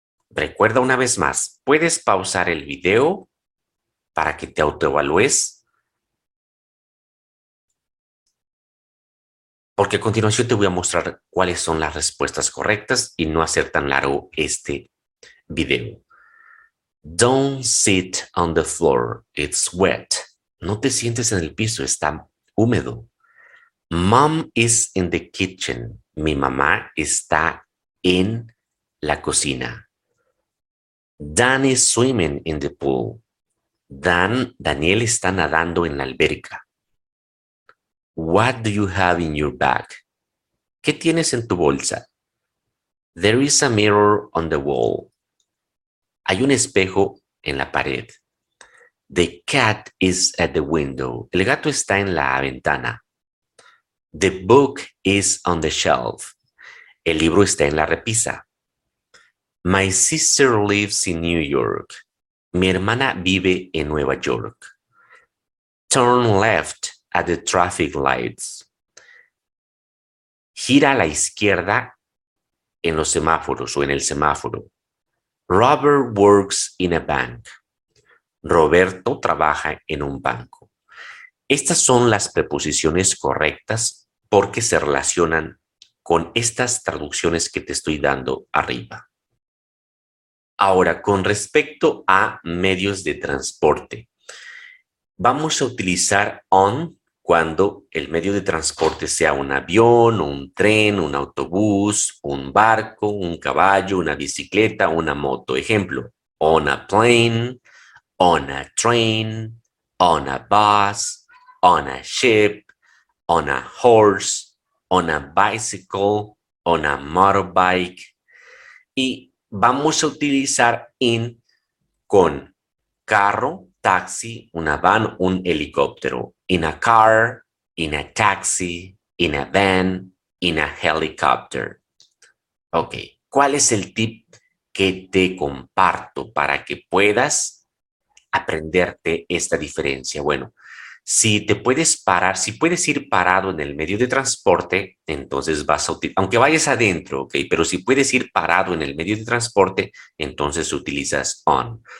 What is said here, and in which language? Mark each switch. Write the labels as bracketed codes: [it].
[es] Recuerda una vez más, puedes pausar el video para que te autoevalúes, porque a continuación te voy a mostrar cuáles son las respuestas correctas y no hacer tan largo este video. [en] Don't sit on the floor, it's wet. [es] No te sientes en el piso, está húmedo. [en] Mom is in the kitchen. [es] Mi mamá está en la cocina. Dan is swimming in the pool. Daniel está nadando en la alberca. [en] What do you have in your bag? [es] ¿Qué tienes en tu bolsa? [en] There is a mirror on the wall. [es] Hay un espejo en la pared. [en] The cat is at the window. [es] El gato está en la ventana. [en] The book is on the shelf. [es] El libro está en la repisa. [en] My sister lives in New York. [es] Mi hermana vive en Nueva York. [en] Turn left at the traffic lights. [es] Gira a la izquierda en los semáforos o en el semáforo. [en] Robert works in a bank. [es] Roberto trabaja en un banco. Estas son las preposiciones correctas porque se relacionan con estas traducciones que te estoy dando arriba. Ahora, con respecto a medios de transporte, vamos a utilizar on cuando el medio de transporte sea un avión, un tren, un autobús, un barco, un caballo, una bicicleta, una moto. [en] Ejemplo, on a plane, on a train, on a bus, on a ship, on a horse, on a bicycle, on a motorbike. [es] Y vamos a utilizar in con carro, taxi, una van, un helicóptero. [en] In a car, in a taxi, in a van, in a helicopter. [es] Ok, ¿cuál es el tip que te comparto para que puedas aprenderte esta diferencia? Bueno, si te puedes parar, si puedes ir parado en el medio de transporte, entonces vas a utilizar, aunque vayas adentro, ok, pero si puedes ir parado en el medio de transporte, entonces utilizas on.